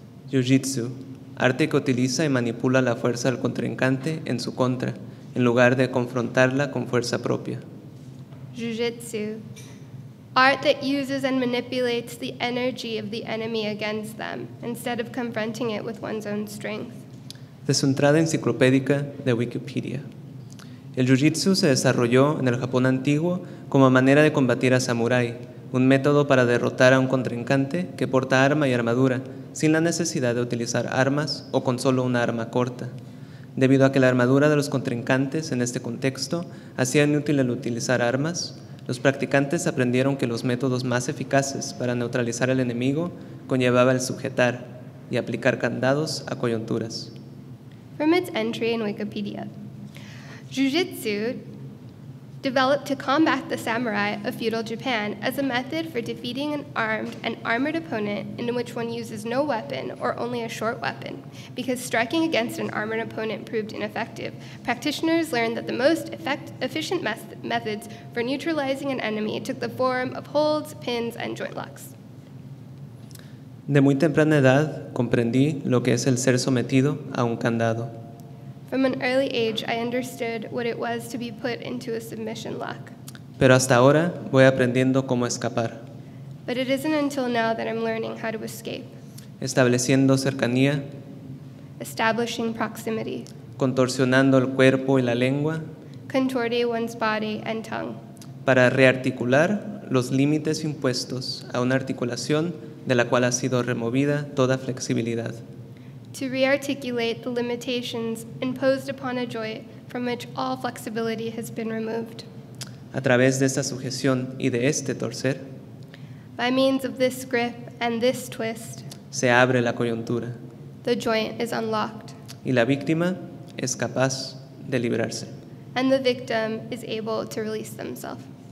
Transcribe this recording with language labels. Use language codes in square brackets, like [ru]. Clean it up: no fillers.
[es] Jiu-jitsu, arte que utiliza y manipula la fuerza del contrincante en su contra, en lugar de confrontarla con fuerza propia. [en] Jiu-jitsu, art that uses and manipulates the energy of the enemy against them, instead of confronting it with one's own strength. [es] De su entrada enciclopédica de Wikipedia. El jiu-jitsu se desarrolló en el Japón antiguo como manera de combatir a samurái, un método para derrotar a un contrincante que porta arma y armadura, sin la necesidad de utilizar armas o con solo una arma corta. debido a que la armadura de los contrincantes en este contexto hacía inútil el utilizar armas, los practicantes aprendieron que los métodos más eficaces para neutralizar al enemigo conllevaba el sujetar y aplicar candados a coyunturas. [en] From its entry in Wikipedia, Jiu-Jitsu developed to combat the samurai of feudal Japan as a method for defeating an armed and armored opponent in which one uses no weapon or only a short weapon. Because striking against an armored opponent proved ineffective, practitioners learned that the most efficient methods for neutralizing an enemy took the form of holds, pins, and joint locks. [es] De muy temprana edad, comprendí lo que es el ser sometido a un candado. [en] From an early age, I understood what it was to be put into a submission lock. [es] Pero hasta ahora, voy aprendiendo cómo escapar. [en] But it isn't until now that I'm learning how to escape. [es] Estableciendo cercanía. [en] Establishing proximity. [es] Contorsionando el cuerpo y la lengua. [en] Contorting one's body and tongue. [es] Para rearticular los límites impuestos a una articulación de la cual ha sido removida toda flexibilidad. [en] To rearticulate the limitations imposed upon a joint from which all flexibility has been removed. [es] A través de esta sujeción y de este torcer, [en] by means of this grip and this twist, [es] se abre la coyuntura. [en] The joint is unlocked. [es] Y la víctima es capaz de librarse. [en] And the victim is able to release themselves.